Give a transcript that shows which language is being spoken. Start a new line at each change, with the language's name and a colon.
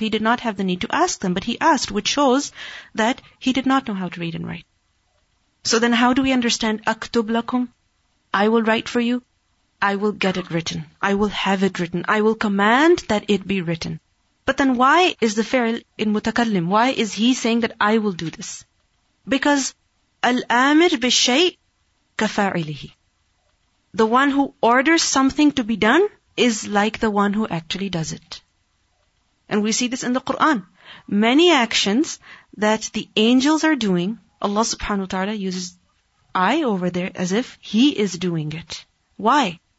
English: He did not have the need to ask them, but he asked, which shows that he did not know how to read and write. So then how do we understand
Arabic: أكتب لكم?
English: I will write for you. I will get it written. I will have it written. I will command that it be written. But then why is the فعل in متكلم? Why is he saying that I will do this? Because
Arabic: الأمر بالشيء كفاعله.
English: The one who orders something to be done is like the one who actually does it. And we see this in the Quran. Many actions that the angels are doing, Allah subhanahu wa ta'ala uses I over there as if He is doing it. Why?